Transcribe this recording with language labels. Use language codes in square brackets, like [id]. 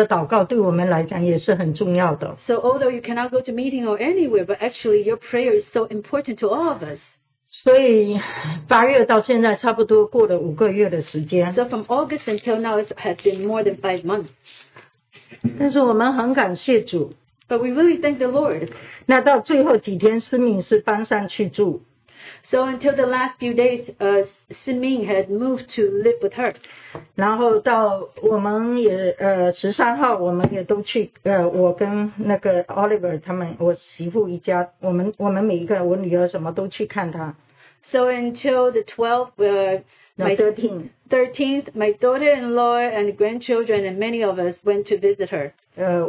[zh] 所以虽然你活得好像也不能去聚会，什么都不能做，但是你的祷告对我们来讲也是很重要的。 [en] So although you cannot go to meeting or anywhere, but actually your prayer is so important to all of us. [zh] 所以八月到现在差不多过了五个月的时间。 [en] So from August until now, it has been more than 5 months. [zh] 但是我们很感谢主。 [en] But we really thank the Lord. [zh] 那到最后几天，思敏是搬上去住。 [en] So until the last few days, Siming had moved to live with her. [zh] 然后到我们也十三号，我们也都去，我跟那个Oliver他们，我媳妇一家，我们每一个，我女儿什么都去看她。 [en] So until the 12th, my 13th, my daughter-in-law and grandchildren and many of us went to visit her.